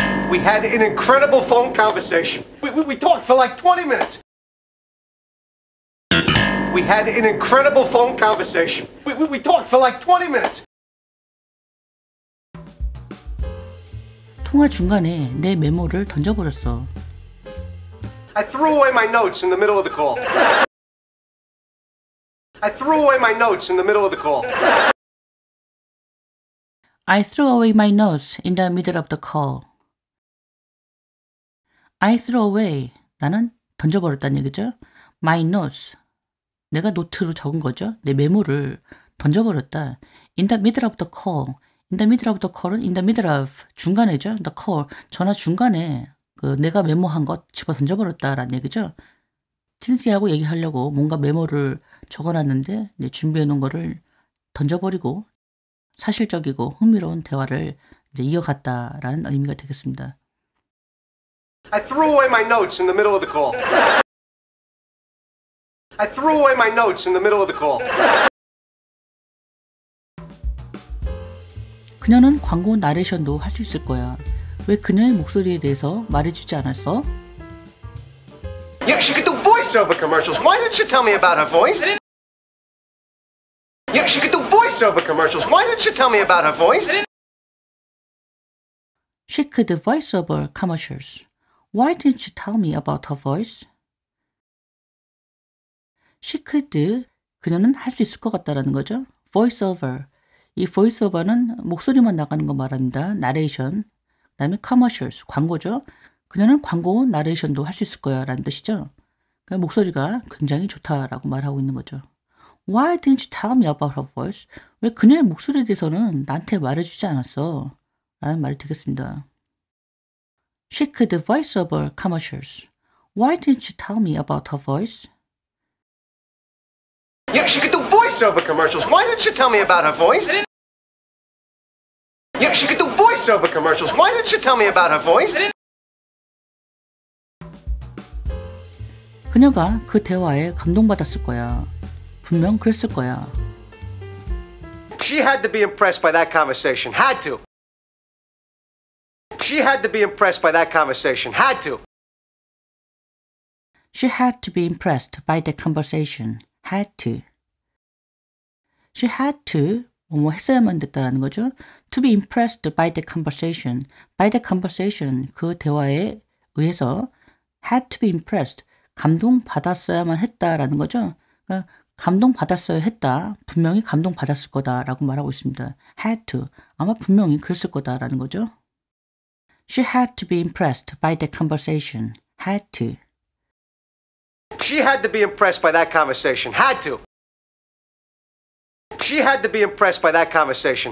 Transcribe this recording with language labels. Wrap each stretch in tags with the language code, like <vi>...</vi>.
<en>We had an incredible phone conversation. We talked for like 20 minutes. We had an incredible phone conversation. We talked for like 20 minutes.</en> <ko>통화 중간에 내 메모를 던져버렸어.</ko> <en>I threw away my notes in the middle of the call. I threw away my notes in the middle of the call. I threw away my notes in the middle of the call. I threw away.</en> <ko>나는 던져버렸다는 얘기죠.</ko> <en>My notes.</en> <ko>내가 노트로 적은 거죠. 내 메모를 던져버렸다.</ko> <en>In the middle of the call. In the middle of the call은 in the middle of</en> <ko>중간에죠.</ko> <en>The call.</en> <ko>전화 중간에 내가 메모한 것 집어 던져버렸다라는 얘기죠. 친지하고 얘기하려고 뭔가 메모를 적어놨는데 이제 준비해놓은 거를 던져버리고 사실적이고 흥미로운 대화를 이제 이어갔다라는 의미가 되겠습니다.</ko> <en>I threw away my notes in the middle of the call. I threw away my notes in the middle of the call.</en> <ko>그녀는 광고 나레이션도 할 수 있을 거야. 왜 그녀의 목소리에 대해서 말해주지 않았어?</ko> <en>Yeah, she could do voiceover commercials. Why didn't she tell me about her voice? Yeah, she could do voiceover commercials. Why didn't she tell me about her voice? She could do voiceover commercials. Why didn't she tell me about her voice? She could do.</en> <ko>그녀는 할 수 있을 것 같다라는 거죠. Voiceover. 이 voiceover는 목소리만 나가는 거 말합니다. 나레이션. 그 다음에 commercials. 광고죠. 그녀는 광고 나레이션도 할 수 있을 거야 라는 뜻이죠. 목소리가 굉장히 좋다라고 말하고 있는 거죠.</ko> <en>Why didn't you tell me about her voice?</en> <ko>왜 그녀의 목소리에 대해서는 나한테 말해주지 않았어? 라는 말이 되겠습니다.</ko> <en>She could voice over commercials. Why didn't you tell me about her voice? Yeah, she could do voice over commercials. Why didn't you tell me about her voice? Yeah, she could do voice over commercials. Why didn't you tell me about her voice?</en> <ko>그녀가 그 대화에 감동받았을 거야. 분명 그랬을 거야.</ko> <en>She had to be impressed by that conversation. Had to. She had to be impressed by that conversation. Had to. She had to be impressed by the conversation. Had to. She had to.</en> <ko>뭐 했어야만 됐다는 거죠.</ko> <en>To be impressed by the conversation. By the conversation.</en> <ko>그 대화에 의해서</ko> <en>had to be impressed.</en> <ko>감동받았어야만 했다라는 거죠. 그러니까 감동받았어야 했다. 분명히 감동받았을 거다라고 말하고 있습니다.</ko> <en>Had to.</en> <ko>아마 분명히 그랬을 거다라는 거죠.</ko> <en>She had to be impressed by the conversation. Had to. She had to be impressed by that conversation. Had to. She had to be impressed by that conversation.</en>